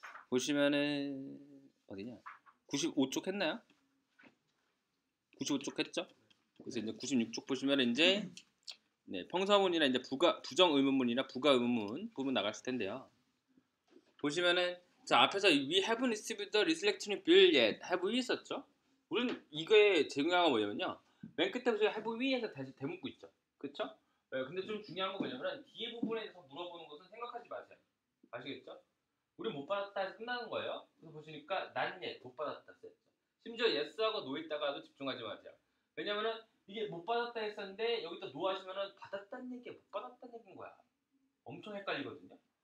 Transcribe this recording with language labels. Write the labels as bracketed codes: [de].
[ko] 보시면은 어디냐? 95쪽 했나요? 95쪽 했죠? 그래서 이제 96쪽 보시면 이제 네, 평서문이나 이제 부정 의문문이나 부가 의문문 부분 나갈 텐데요. 보시면은 자, 앞에서 [en] we haven't received the reselection bill yet. have we [ko] 있었죠? 우리는 이거의 제공한 건 뭐냐면요. 맨 끝에 보시면 [en] have we [ko] 해서 다시 대묻고 있죠. 그렇죠? 네, 근데 좀 중요한 건 뭐냐면 뒤에 부분에서 물어보는 것은 생각하지 마세요. 아시겠죠? 우리 못 받았다 해서 끝나는 거예요. 그래서 보시니까 난 yet 못 받았다 했어요. 심지어 yes하고 no 있다가도 집중하지 마세요. 왜냐면은 이게 못 받았다 했었는데 여기다 no 하시면은 받았다는 얘기가 못 받았다는 얘기인 거야. 엄청 헷갈리거든요.